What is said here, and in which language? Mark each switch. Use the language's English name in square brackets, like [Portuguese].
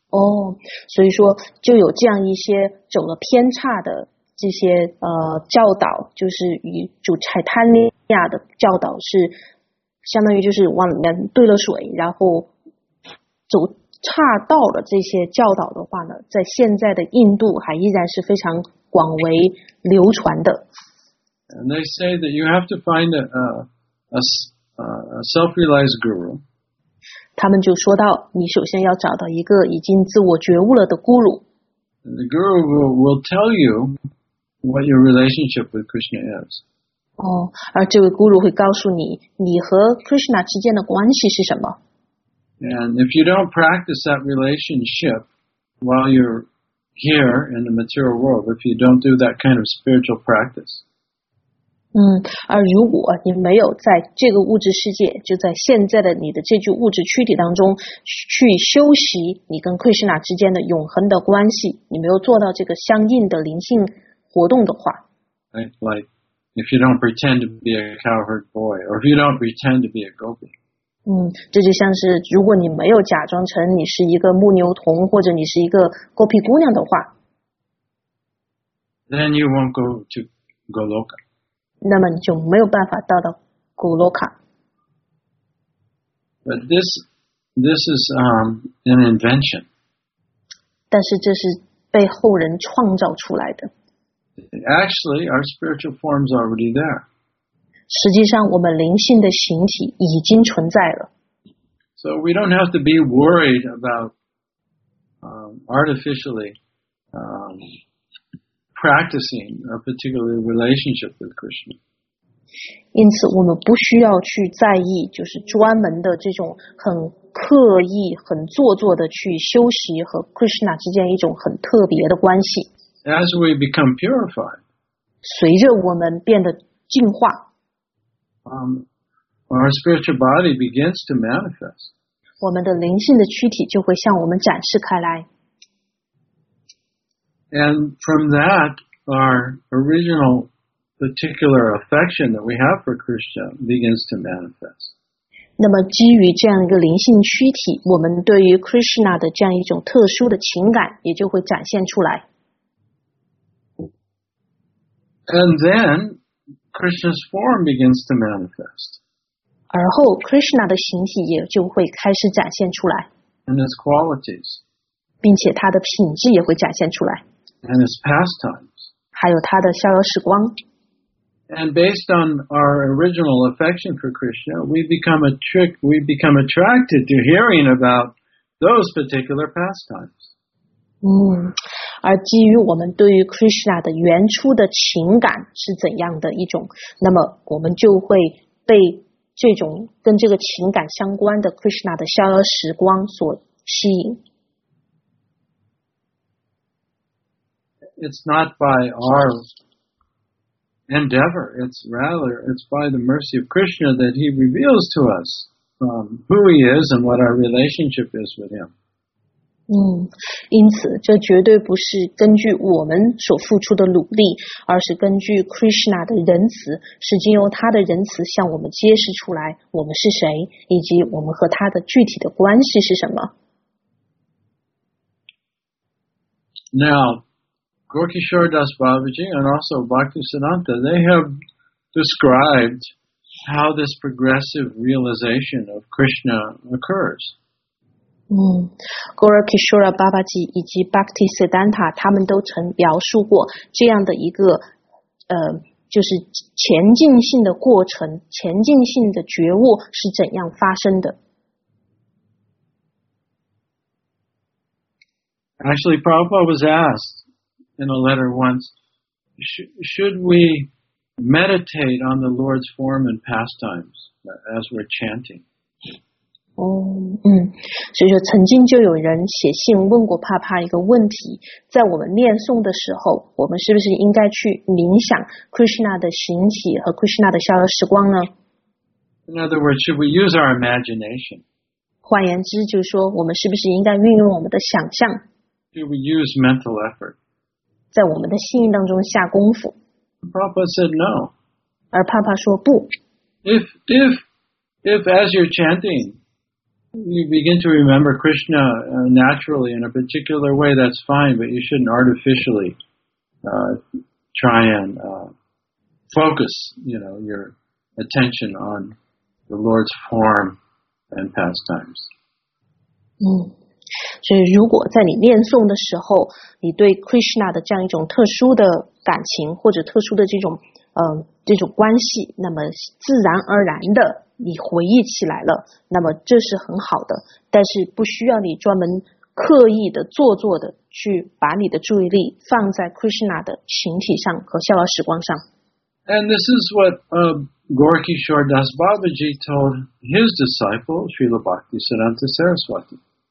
[Chinese] 所以说就有这样一些走了偏差的这些教导，就是与主柴坦尼亚的教导是相当于就是往里面兑了水，然后走岔道的这些教导的话呢，在现在的印度还依然是非常广为流传的。 [English] And they say that you have to find a self-realized guru. [Chinese] 他们就说到，你首先要找到一个已经自我觉悟了的咕噜。 [English] The guru will tell you what your relationship with Krishna is. [Chinese] 而这位咕噜会告诉你，你和 Krishna 之间的关系是什么。 [English] And if you don't practice that relationship while you're here in the material world, if you don't do that kind of spiritual practice. [Chinese] 而如果你没有在这个物质世界，就在现在的你的这具物质躯体当中去修习你跟克里希那之间的永恒的关系，你没有做到这个相应的灵性活动的话， [English] Like if you don't pretend to be a cowherd boy, or if you don't pretend to be a gopi. [Chinese] 这就像是如果你没有假装成你是一个牧牛童或者你是一个 gopi 姑娘的话， [English] Then you won't go to Goloka. [Chinese] 那么你就没有办法到达古洛卡。 [English] But this is an invention. [Chinese] 但是这是被后人创造出来的。 [English] Actually, our spiritual forms are already there. [Chinese] 实际上我们灵性的形体已经存在了。 [English] So we don't have to be worried about artificially practicing a particular relationship with Krishna. [Chinese] 因此我们不需要去在意就是专门的这种很刻意很做作的去修习和 Krishna 之间一种很特别的关系。 [English] As we become purified, [Chinese] 随着我们变得净化， [English] our spiritual body begins to manifest. [Chinese] 我们的灵性的躯体就会向我们展示开来。 [English] And from that, our original particular affection that we have for Krishna begins to manifest. [Chinese] 那么基于这样一个灵性躯体，我们对于 Krishna 的这样一种特殊的情感也就会展现出来。 [English] And then Krishna's form begins to manifest. [Chinese] 而后 Krishna 的形体也就会开始展现出来。 [English] And his qualities. [Chinese] 并且他的品质也会展现出来。 [English] And his pastimes. [Chinese] 还有他的逍遥时光。 [English] And based on our original affection for Krishna, we become attracted to hearing about those particular pastimes. [Chinese] 而基于我们对于 Krishna 的原初的情感是怎样的一种，那么我们就会被这种跟这个情感相关的 Krishna 的逍遥时光所吸引。 [English] It's not by our endeavor, it's by the mercy of Krishna that he reveals to us who he is and what our relationship is with him. [Chinese] 因此这绝对不是根据我们所付出的努力，而是根据 Krishna 的仁慈，是经由他的仁慈向我们揭示出来我们是谁，以及我们和他的具体的关系是什么。 [English] Now,Gaurakishore Das Babaji and also Bhaktisiddhanta, they have described how this progressive realization of Krishna occurs. [Chinese] Gaurakishore Babaji 以及 Bhaktisiddhanta 他们都曾描述过这样的一个就是前进性的过程，前进性的觉悟是怎样发生的。 [English] Actually, Prabhupada was askedin a letter once, should we meditate on the Lord's form and pastimes as we're chanting? [Chinese] 所以说曾经就有人写信问过帕帕一个问题，在我们念诵的时候，我们是不是应该去冥想 Krishna 的形体和 Krishna 的逍遥时光呢？ [English] In other words, should we use our imagination? [Chinese] 换言之就是说，我们是不是应该运用我们的想象？ [English] Should we use mental effort? [Chinese] 在我们的心意当中下功夫。 [English] Prabhupada said no. [Chinese] 而帕帕说不。 [English] If as you're chanting, you begin to remember Krishna naturally in a particular way, that's fine, but you shouldn't artificially try and focus, you know, your attention on the Lord's form and pastimes. [Chinese] 所以如果在你念诵的时候，你对 Krishna 的这样一种特殊的感情或者特殊的这种关系，那么自然而然的你回忆起来了，那么这是很好的，但是不需要你专门刻意的做作的去把你的注意力放在 Krishna 的形体上和逍遥时光上。 [English] And this is what Gaurakishore Das Babaji told his disciple Srila Bhaktisiddhanta Saraswati.